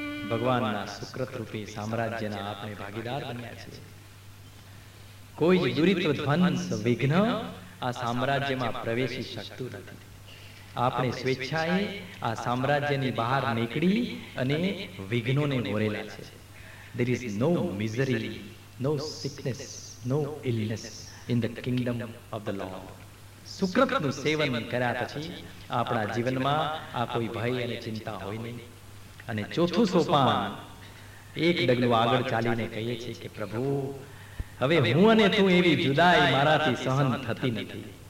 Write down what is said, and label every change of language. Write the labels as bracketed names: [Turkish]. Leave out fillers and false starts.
[Gujarati] ભગવાનના સુકૃત રૂપી સામ્રાજ્યના આપણે ભાગીદાર બન્યા છીએ. કોઈ દુરિત્વ ધ્વંસ વિઘ્ન આ સામ્રાજ્યમાં પ્રવેશી શકતું નથી. આપણે સ્વેચ્છાએ આ સામ્રાજ્યની બહાર નીકળી અને વિઘ્નોને વરેલા છે. [English] There is no misery, no sickness, no illness in the kingdom of the Lord. [Gujarati] સુકૃતનું સેવન કર્યા પછી આપણા જીવનમાં આ કોઈ ભય અને ચિંતા હોય નહીં. અને ચોથું સોપાન એક ડગલું આગળ ચાલીને કહીએ છીએ કે પ્રભુ હવે હું અને તું એવી જુદાઈ મારાથી સહન થતી નથી.